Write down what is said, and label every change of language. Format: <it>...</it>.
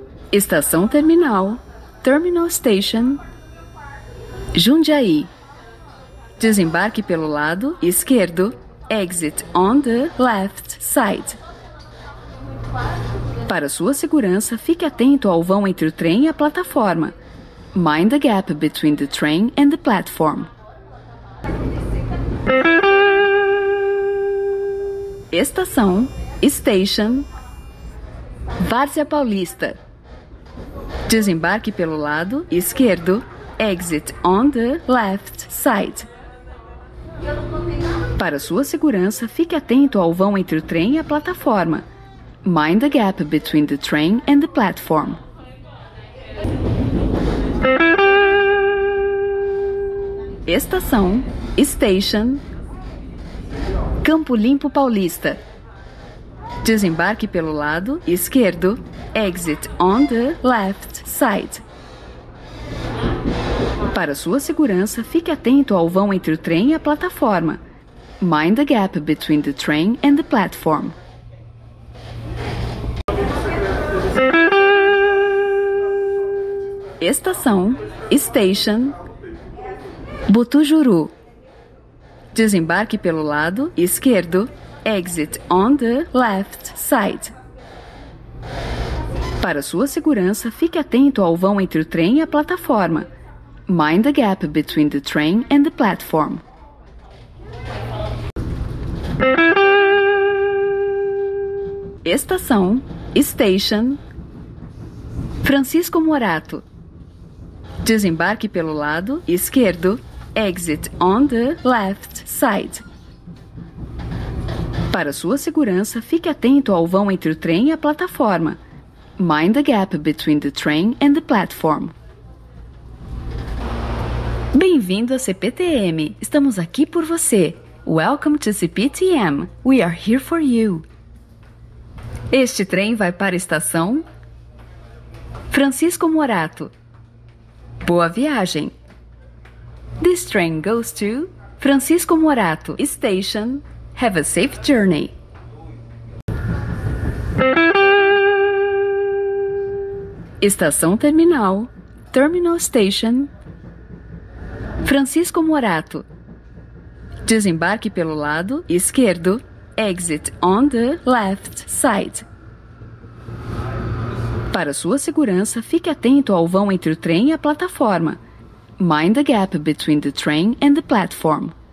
<pt>Estação Terminal,</pt> <en>Terminal Station,</en> <pt>Jundiaí. Desembarque pelo lado esquerdo.</pt> <en>Exit on the left side.</en> <pt>Para sua segurança, fique atento ao vão entre o trem e a plataforma.</pt> <en>Mind the gap between the train and the platform.</en> <pt>Estação, Station, Várzea Paulista. Desembarque pelo lado esquerdo.</pt> <en>Exit on the left side.</en> <pt>Para sua segurança, fique atento ao vão entre o trem e a plataforma.</pt> <en>Mind the gap between the train and the platform.</en> <pt>Estação, Station, Campo Limpo Paulista. Desembarque pelo lado esquerdo.</pt> <en>Exit on the left side.</en> <pt>Para sua segurança, fique atento ao vão entre o trem e a plataforma.</pt> <en>Mind the gap between the train and the platform.</en> <pt>Estação, Station, Botujuru. Desembarque pelo lado esquerdo.</pt> <en>Exit on the left side.</en> <pt>Para sua segurança, fique atento ao vão entre o trem e a plataforma.</pt> <en>Mind the gap between the train and the platform.</en> <pt>Estação, Station, Francisco Morato. Desembarque pelo lado esquerdo.</pt> <en>Exit on the left side.</en> <pt>Para sua segurança, fique atento ao vão entre o trem e a plataforma.</pt> <en>Mind the gap between the train and the platform.</en> <pt>Bem-vindo a CPTM. Estamos aqui por você.</pt> <en>Welcome to CPTM. We are here for you.</en> <pt>Este trem vai para a estação Francisco Morato. Boa viagem.</pt> <en>This train goes to Francisco Morato Station. Have a safe journey.</en> <pt>Estação Terminal, Terminal Station, Francisco Morato. Desembarque pelo lado esquerdo.</pt> <en>Exit on the left side.</en> <pt>Para sua segurança, fique atento ao vão entre o trem e a plataforma.</pt> <en>Mind the gap between the train and the platform.</en>